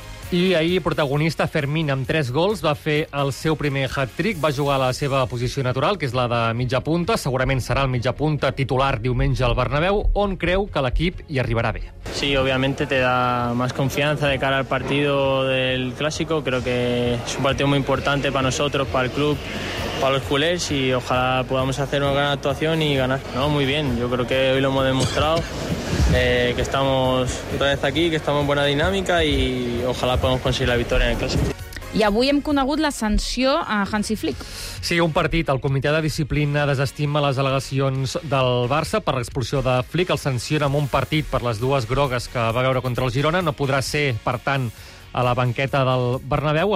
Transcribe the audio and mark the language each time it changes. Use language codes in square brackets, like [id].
[ca] I ahir protagonista Fermín amb 3 gols va fer el seu primer hat-trick, va jugar a la seva posició natural, que és la de mitja punta, segurament serà el mitja punta titular diumenge al Bernabéu, on creu que l'equip hi arribarà bé. [es] Sí, obviamente te da más confianza de cara al partido del clásico, creo que es un partido muy importante para nosotros, para el club, para los culés y ojalá podamos hacer una gran actuación y ganar. No, muy bien, yo creo que hoy lo hemos demostrado. Que estamos otra vez aquí, que estamos en buena dinámica y ojalá podamos conseguir la victoria en el clásico. [ca] I avui hem conegut la sanció a Hansi Flick. Sí, un partit. El comitè de disciplina desestima les al·legacions del Barça per l'expulsió de Flick. El sanciona amb un partit per les dues grogues que va veure contra el Girona. No podrà ser, per tant, a la banqueta del Bernabéu.